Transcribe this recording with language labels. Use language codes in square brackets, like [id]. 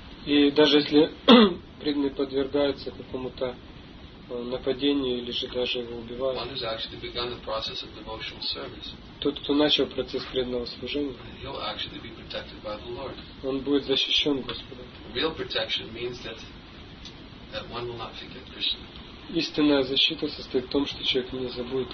[ru] и даже если преданный подвергается какому-то нападению или же даже его убивают, [en] one has actually begun the process of devotional service. [ru] Тот, кто начал процесс преданного служения, [en] he'll actually be protected by the Lord. [ru] Он будет защищен Господом. [en] Real protection means that one will not forget Krishna. [ru] истинная защита состоит в том, что человек не забудет